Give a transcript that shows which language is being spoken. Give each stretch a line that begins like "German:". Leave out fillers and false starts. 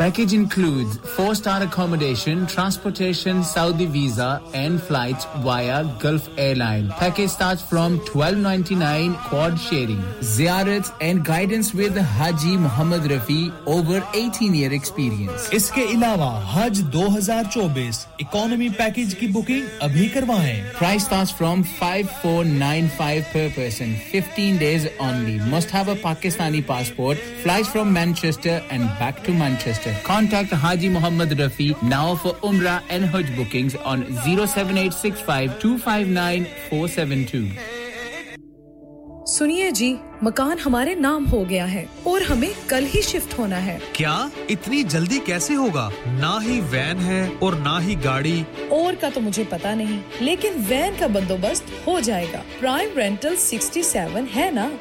English: package includes 4 star accommodation transportation Saudi visa and flights via Gulf airline package starts from 1299 quad sharing ज़ियारत and guidance with Haji Mohammad Rafi over 18 year experience
Hindi: इसके अलावा हज 2024 economy package की booking अभी करवाएं
English: price starts from 5495 per person 15 days only must have a pakistani passport flies from manchester and back to manchester contact haji mohammad rafi now for umrah and hajj bookings on 07865259472
Hindi: सुनिए जी मकान हमारे नाम हो गया है और हमें कल ही शिफ्ट होना है क्या इतनी जल्दी कैसे होगा ना ही वैन है और ना ही गाड़ी और का तो मुझे पता नहीं लेकिन वैन का बंदोबस्त हो जाएगा प्राइम रेंटल 67 है ना